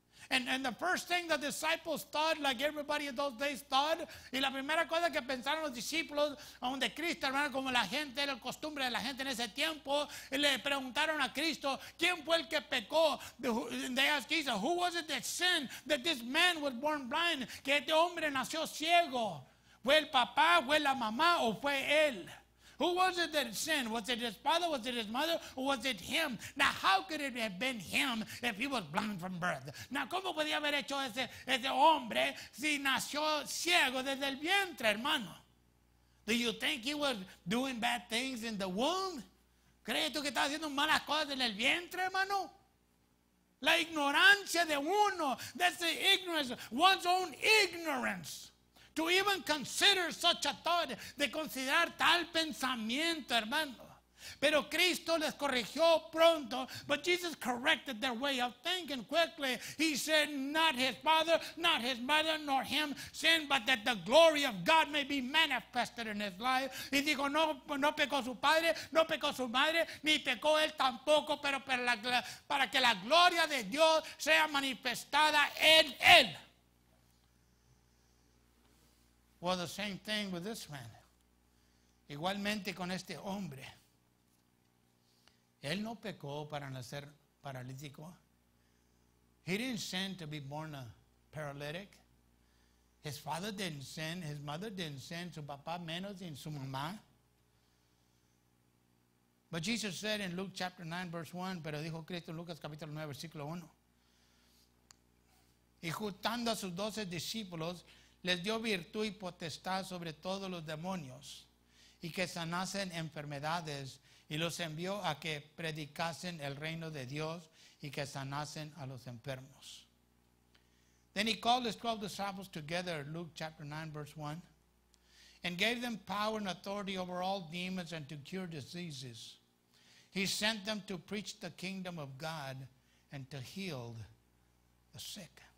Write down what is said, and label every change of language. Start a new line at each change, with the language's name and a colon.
English: And the first thing the disciples thought, like everybody in those days thought,
Spanish: y la primera cosa que pensaron los discípulos, aun de Cristo, hermano, como la gente, era la costumbre de la gente en ese tiempo, y le preguntaron a Cristo, ¿quién fue el que pecó?
English: They asked Jesus, who was it that sinned that this man was born blind?
Spanish: Que este hombre nació ciego. ¿Fue el papá, fue la mamá, o fue él?
English: Who was it that sinned? Was it his father? Was it his mother? Or was it him? Now, how could it have been him if he was blind from birth?
Spanish: Now, ¿cómo podía haber hecho ese hombre si nació ciego desde el vientre, hermano?
English: Do you think he was doing bad things in the womb?
Spanish: ¿Crees tú que estaba haciendo malas cosas en el vientre, hermano? La ignorancia de uno.
English: That's the ignorance. One's own ignorance. To even consider such a thought,
Spanish: de considerar tal pensamiento, hermano. Pero Cristo les corrigió pronto,
English: but Jesus corrected their way of thinking quickly. He said, not his father, not his mother, nor him sin, but that the glory of God may be manifested in his life.
Spanish: Y dijo, no pecó su padre, no pecó su madre, ni pecó él tampoco, pero para que la gloria de Dios sea manifestada en él.
English: Well, the same thing with this man.
Spanish: Igualmente con este hombre. Él no pecó para nacer paralítico.
English: He didn't sin to be born a paralytic. His father didn't sin. His mother didn't sin.
Spanish: Su papá menos y su mamá.
English: But Jesus said in Luke chapter 9, verse 1,
Spanish: pero dijo Cristo en Lucas capítulo 9, versículo 1. Y juntando a sus 12 discípulos, les dio virtud y potestad sobre todos los demonios y que sanasen enfermedades y los envió a que predicasen el reino de Dios y que sanasen a los enfermos.
English: Then he called his 12 disciples together, Luke chapter 9 verse 1, and gave them power and authority over all demons and to cure diseases. He sent them to preach the kingdom of God and to heal the sick.